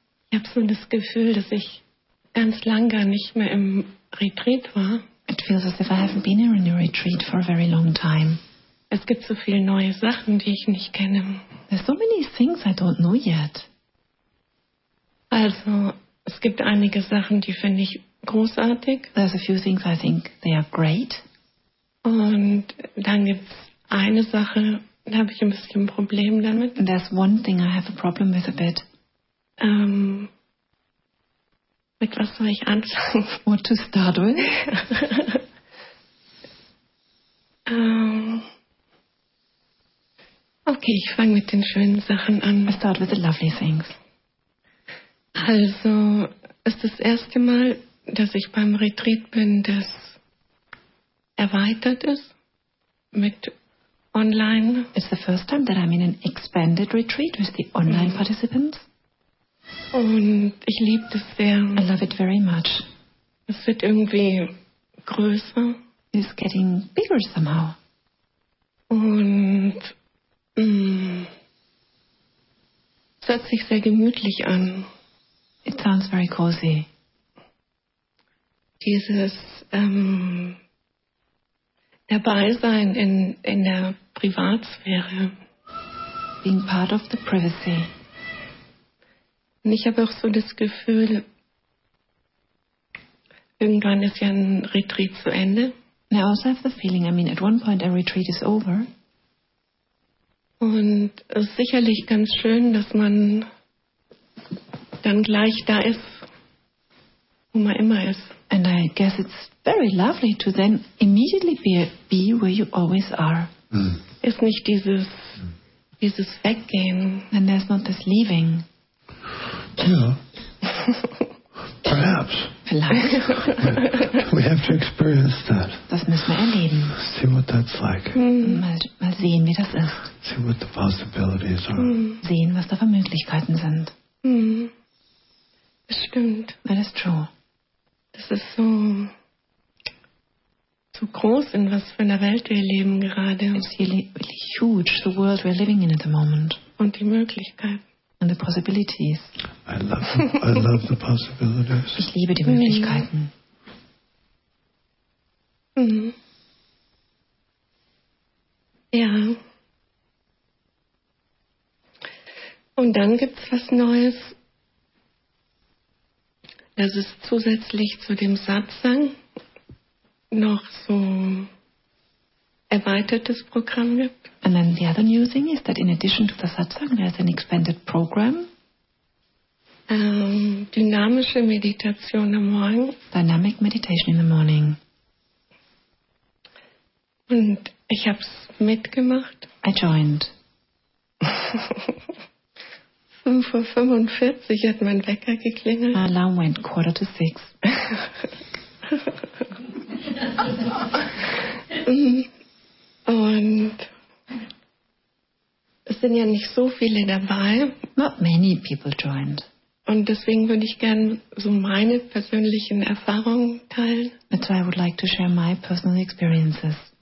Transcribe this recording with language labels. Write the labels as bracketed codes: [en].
[de] Ich habe so das Gefühl, dass ich ganz lang gar nicht mehr im Retreat war. [en] It feels as if I haven't been in a retreat for a very long time. [de] Es gibt so viele neue Sachen, die ich nicht kenne. [en] There's so many things I don't know yet. [de] Also, es gibt einige Sachen, die finde ich großartig. [en] There's a few things I think they are great. [de] Und dann gibt's eine Sache, da habe ich ein bisschen ein Problem damit. [en] And there's one thing I have a problem with a bit. [de] Mit was soll ich anfangen? [en] What to start with? [de] Okay, ich fange mit den schönen Sachen an. [en] I start with the lovely things. [de] Also, ist das erste Mal, dass ich beim Retreat bin, das erweitert ist mit online. [en] It's the first time that I'm in an expanded retreat with the online participants. [de] Und ich liebe das sehr. [en] I love it very much. [de] Es wird irgendwie größer. [en] It's getting bigger somehow. [de] Und Es hört sich sehr gemütlich an. [en] It sounds very cozy. [de] Dieses Dabeisein in der Privatsphäre. [en] Being part of the privacy. [de] Und ich habe auch so das Gefühl, irgendwann ist ja ein Retreat zu Ende. [en] And I also have the feeling, I mean, at one point a retreat is over. [de] Und es ist sicherlich ganz schön, dass man dann gleich da ist, wo man immer ist. [en] And I guess it's very lovely to then immediately be where you always are. [de] Mm. Ist nicht dieses Weggehen. [en] And there's not this leaving. Yeah. Perhaps. [de] Vielleicht. [en] We have to experience that. [de] Das müssen wir erleben. [en] See what that's like. [de] Mm. Mal sehen, wie das ist. [en] See what the possibilities are. Mm. [de] Sehen, was da für Möglichkeiten sind. Mm. Das stimmt. [en] That is true. [de] Das ist so groß, in was für einer Welt wir leben gerade. [en] It's really huge, the world we're living in at the moment. [de] Und die Möglichkeiten. [en] And the possibilities. I love the possibilities. [de] Ich liebe die Möglichkeiten. Mhm. Ja. Und dann gibt's was Neues. Das ist zusätzlich zu dem Satsang noch so erweitertes Programm gibt. [en] And then the other new thing is that in addition to the Satsang, there's an expanded program. [de] Dynamische Meditation am Morgen. [en] Dynamic meditation in the morning. [de] Und ich hab's mitgemacht. [en] I joined. [de] 5.45 Uhr hat mein Wecker geklingelt. [en] My alarm went 5:45. [de] Und es sind ja nicht so viele dabei. [en] Not many people joined. [de] Und deswegen würde ich gerne so meine persönlichen Erfahrungen teilen. [en] That's why I would like to share my personal experiences.